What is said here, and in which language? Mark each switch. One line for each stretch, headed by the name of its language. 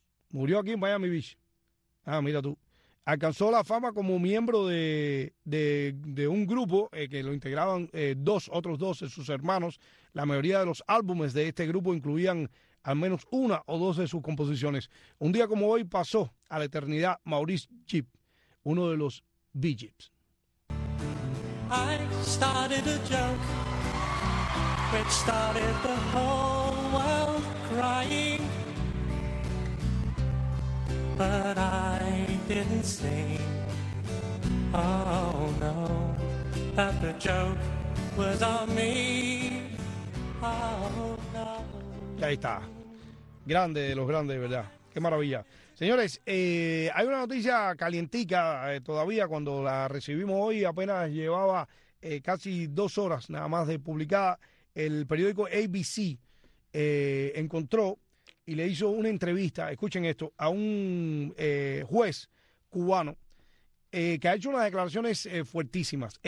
Spanish: Murió aquí en Miami Beach. Ah, mira tú. Alcanzó la fama como miembro de un grupo que lo integraban otros dos de sus hermanos. La mayoría de los álbumes de este grupo incluían al menos una o dos de sus composiciones. Un día como hoy pasó a la eternidad Maurice Gibb, uno de los Bee Gees.
English: I started a joke, which started the whole world crying. But I didn't say, oh no, that the joke was on me. Oh no.
Spanish: Ahí está. Grande de los grandes, ¿verdad? Qué maravilla. Señores, hay una noticia calientica todavía. Cuando la recibimos hoy, apenas llevaba casi dos horas nada más de publicada, el periódico ABC encontró y le hizo una entrevista, escuchen esto, a un juez cubano que ha hecho unas declaraciones fuertísimas.